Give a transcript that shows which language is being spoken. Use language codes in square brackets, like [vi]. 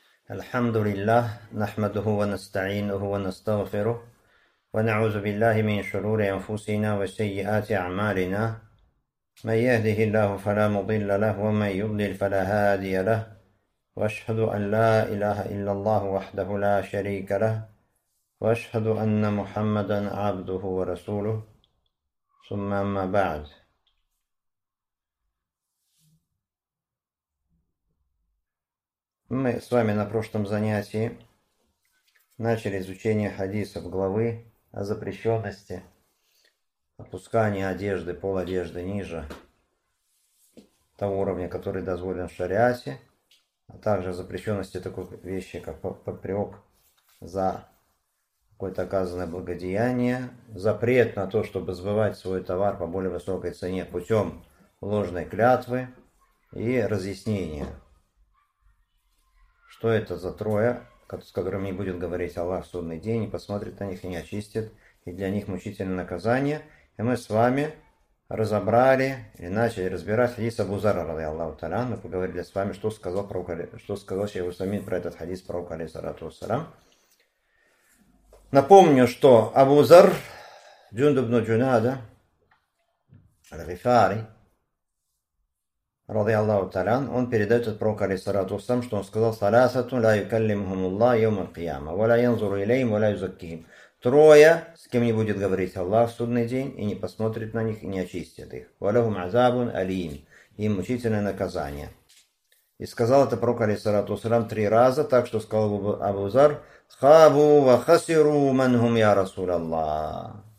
[ar] الحمد لله، نحمده ونستعينه ونستغفره، ونعوذ بالله من شرور أنفسنا وسيئات أعمالنا. من يهده الله فلا مضل له، ومن يضلل فلا هادي له. وأشهد أن لا إله إلا الله وحده لا شريك له، وأشهد أن محمدا عبده ورسوله. ثم أما بعد، [ru] мы с вами на прошлом занятии начали изучение хадисов главы о запрещенности опускания одежды, пол одежды ниже того уровня, который дозволен в шариате, а также о запрещенности такой вещи, как попрек за какое-то оказанное благодеяние, запрет на то, чтобы сбывать свой товар по более высокой цене путем ложной клятвы и разъяснения. Что это за трое, с которыми не будет говорить Аллах в судный день, не посмотрит на них и не очистит, и для них мучительное наказание. И мы с вами разобрали и начали разбирать хадис Абу Зарра ради Аллаху Таала. Мы поговорили с вами, что сказал Шейх Усаймин про этот хадис про пророка, алейхи саляту вассалям. Напомню, что Абу Зарр, Джунд ибн Джунада, аль-Гифари, [ar] رضي الله تعالى عنه، [ru] он передает от пророка [ar] عليه الصلاة والسلام, [ru] что он сказал: [ar] ثلاثة لا يكلمهم الله يوم القيامة ولا ينظر إليهم ولا يزكيهم. [ru] Трое, с кем не будет говорить Аллах в судный день, и не посмотрит на них, и не очистит их. [ar] ولهم عذاب أليم. [ru] Им мучительное наказание. И сказал это пророк [ar] عليه الصلاة والسلام [ru] три раза, так что сказал Абу Зар: [ar] خابوا وخسروا من هم يا رسول الله.